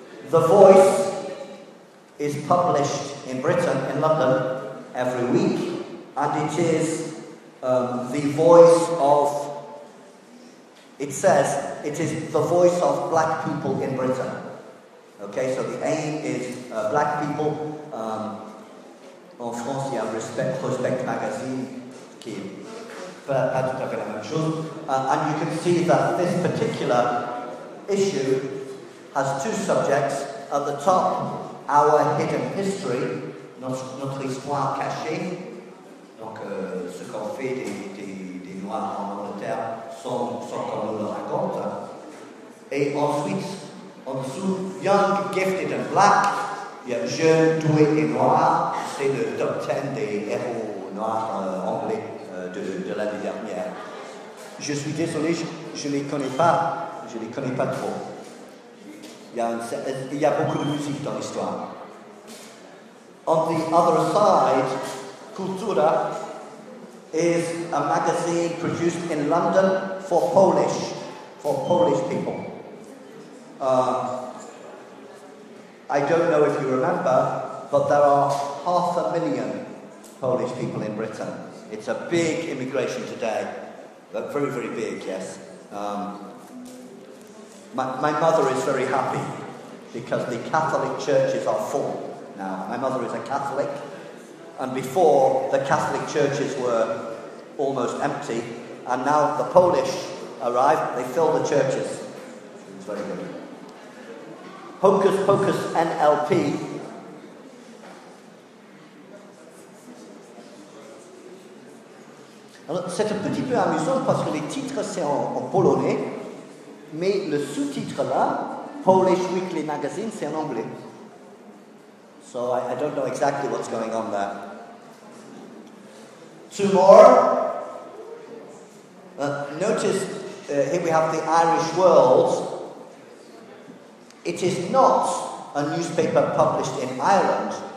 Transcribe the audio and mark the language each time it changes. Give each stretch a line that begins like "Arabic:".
English: The Voice is published in Britain, in London, every week, and it is the voice of, it says, it is the voice of black people in Britain. Okay, so the aim is black people.
French: En France, il y a Respect magazine qui n'est pas tout à fait la même chose.
English: And you can see that this particular issue has two subjects. At the top, our hidden history,
French: notre histoire cachée, donc ce qu'on fait des Noirs en Angleterre sans qu'on nous le raconte. Et ensuite, en dessous,
English: young, gifted and black,
French: il y a jeune, doué et noir, c'est le top 10 des héros noirs anglais de l'année dernière. Je suis désolé, je ne les connais pas, je ne les connais pas trop. Il y a beaucoup de musique dans l'histoire.
English: On the other side, Cultura is a magazine produced in London for Polish people. I don't know if you remember, but there are 500,000 Polish people in Britain. It's a big immigration today, but very, very big, yes. My mother is very happy because the Catholic churches are full now. My mother is a Catholic, and before the Catholic churches were almost empty, and now the Polish arrive, they fill the churches. It's very good. Hocus Pocus NLP.
French: Alors, c'est un petit peu amusant parce que les titres c'est en polonais. Mais le sous-titre là, Polish Weekly Magazine, c'est en anglais.
English: So I don't know exactly what's going on there. Two more. Notice, here we have the Irish World. It is not a newspaper published in Ireland.